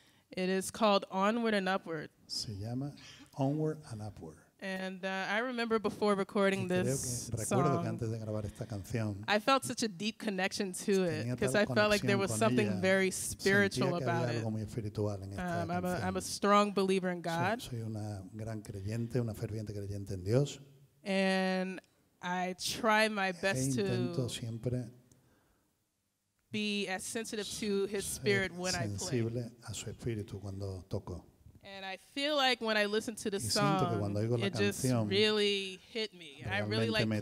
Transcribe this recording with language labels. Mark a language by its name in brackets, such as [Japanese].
[English] It is called Onward and Upward. [Spanish] Se llama Onward and Upward. [English] And I remember before recording this song, I felt such a deep connection to it because I felt like there was something very spiritual about it. I'm a strong believer in God. [Spanish] Soy una gran creyente, una ferviente creyente en Dios. [English] And I try my best to be as sensitive to his spirit when I play. [Spanish] A su espíritu cuando toco. [English] And I feel like when I listen to the song, it [Spanish] canción, [English] just really hit me. I really like playing